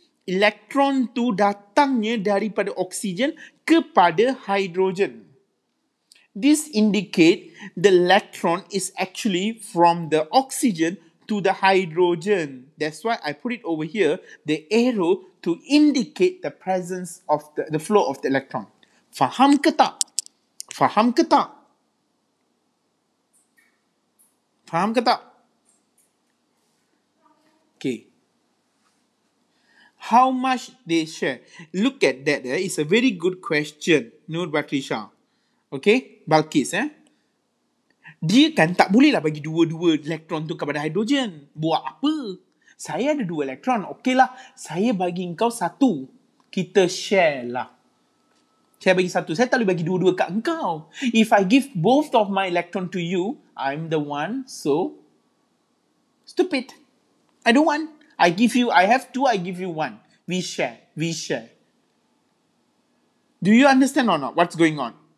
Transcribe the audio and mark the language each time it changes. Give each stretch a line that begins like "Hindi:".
Malay: Elektron tu datangnya daripada oksigen kepada hydrogen.
English: This indicate the electron is actually from the oxygen to the hydrogen. That's why I put it over here, the arrow, to indicate the presence of the flow of the electron.
Malay: Faham ke tak? Faham ke tak?
English: Okay. How much they share? Look at that. It's a very good question, Nur Batrisha. Okay? Balkis.
Malay: dia kan tak bolehlah bagi dua-dua elektron tu kepada hidrogen. Buat apa? Saya ada dua elektron. Okeylah, saya bagi engkau satu. Kita share lah. Saya bagi satu. Saya tak boleh bagi dua-dua kat engkau.
English: If I give both of my electron to you, I'm the one. So, stupid. I don't want. I give you, I have two, I give you one. We share. We share. Do you understand or not what's going on?